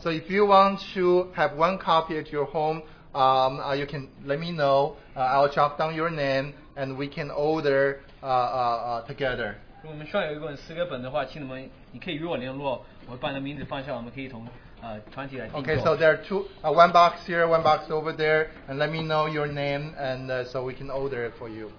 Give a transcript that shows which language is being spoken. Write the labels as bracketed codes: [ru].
[en] So if you want to have one copy at your home, you can let me know. I'll jot down your name, and we can order together. [zh] 如果我们需要有一本诗歌本的话，请你们你可以与我联络，我把你的名字放下，我们可以同。 [en] Okay, so there are two, one box here, one box over there, and let me know your name, and so we can order it for you.